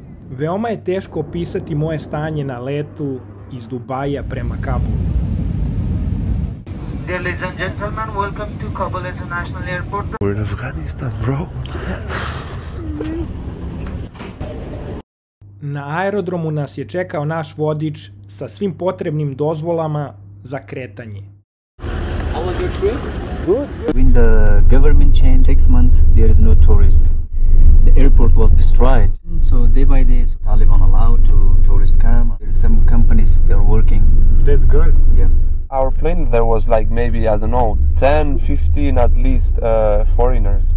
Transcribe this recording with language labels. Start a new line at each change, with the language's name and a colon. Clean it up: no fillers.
Serbian: Veoma je teško opisati moje stanje na letu iz Dubaja prema Kabulu.
English: Ladies and gentlemen, welcome to Kabul International Airport. We're in Afghanistan, bro.
Serbian: Na aerodromu nas je čekao naš vodič sa svim potrebnim dozvolama za kretanje.
English: How was your trip? Good. When the government changed 6 months, there is no tourist. The airport was destroyed. So day by day, so Taliban allowed to tourists come. There are some companies they are working. That's good. Yeah. Our plane, there was like maybe, I don't know, 10, 15 at least foreigners.